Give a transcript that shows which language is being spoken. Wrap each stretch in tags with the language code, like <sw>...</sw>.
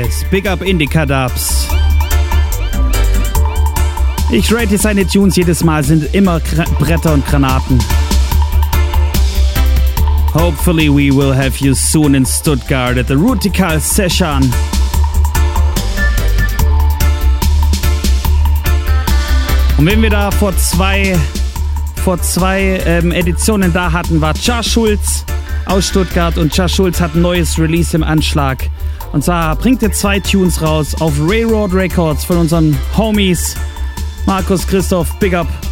<en>Big up Indica Dubs.</en> <de>Ich rate seine Tunes jedes Mal, sind immer Bretter und Granaten.</de> <en>Hopefully we will have you soon in Stuttgart at the Rootikal Session.</en> <de>Und wenn wir da vor zwei Editionen da hatten, war Cha Schulz aus Stuttgart und Cha Schulz hat ein neues Release im Anschlag. Und zwar bringt er zwei Tunes raus auf Railroad Records von unseren Homies Markus, Christoph, Big Up.</de>